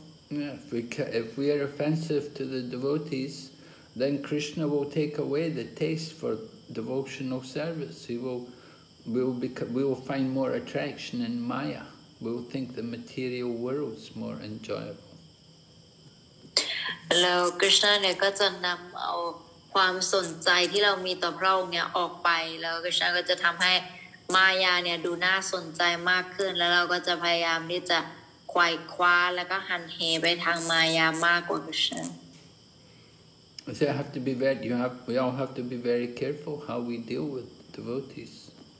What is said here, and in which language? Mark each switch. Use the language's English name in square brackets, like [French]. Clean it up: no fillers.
[English] If we are offensive to the devotees, then Krishna will take away the taste for devotional service. We will find more attraction in Maya. Okay. we will think the material world is more enjoyable. [Thai] แล้วคริสต์เนี่ยก็จะนำเอาความสนใจที่เรามีต่อพระองค์เนี่ยออกไปแล้วคริสต์ก็จะทำให้มายาเนี่ยดูน่าสนใจมากขึ้นแล้วเราก็จะพยายามที่จะขวายคว้าแล้วก็หันเหไปทางมายามากกว่าคริสต์ [English] I say, I have to be very, you have, we all have to be very careful how we deal with devotees.